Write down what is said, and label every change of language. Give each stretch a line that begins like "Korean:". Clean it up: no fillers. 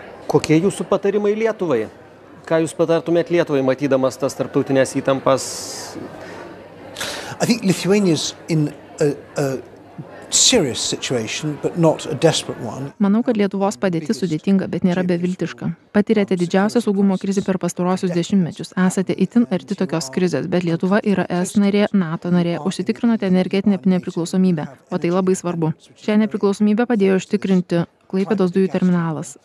Lithuanian: Kokie jūsų patarimai Lietuvai? Ką jūs patartumėt Lietuvai, matydamas tas tarptautinės įtampas?
English: I think Lithuania is in a serious situation, but not a desperate one.
Lithuanian: Manau, kad Lietuvos padėtis sudėtinga, bet nėra beviltiška. Patyrėte didžiausią saugumo krizę per pastaruosius dešimtmečius. Esate itin arti tokios krizės, bet Lietuva yra ES narė, NATO narė, užsitikrinote energetinę nepriklausomybę, o tai labai svarbu. Šią nepriklausomybę padėjo užtikrinti Klaipėdos dujų terminalas.